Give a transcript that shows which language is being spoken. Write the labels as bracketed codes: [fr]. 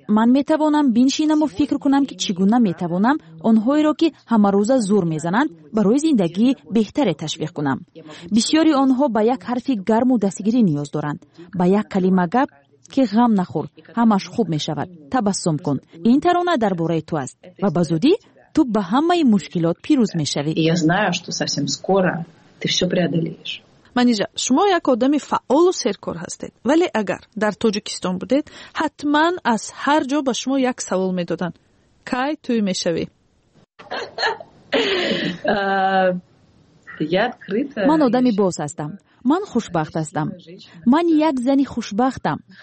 [fa] من میتوانم بینشینم و فکر کنم که چگونه میتوانم آنهایی را که همه روزا زور میزنند برای زندگی بهتر تشویق کنم. بسیاری آنها با یک حرفی گرم و دستگیری نیاز دارند، با یک کلمه گپ که غم نخور، همش خوب میشود، تبسم کن، این ترانه در برای تو است و بزودی تو به همه مشکلات پیروز میشوی. [ru] Я знаю, что совсем скоро ты всё преодолеешь. [fa] منیجا، شما یک آدم فعال و سرکار هستید، ولی اگر در تاجیکستان بودید حتما از هر جا به شما یک سوال میدادن: کی توی میشوی؟ من آدمی باز هستم، من خوشبخت هستم، من یک زنی خوشبختم.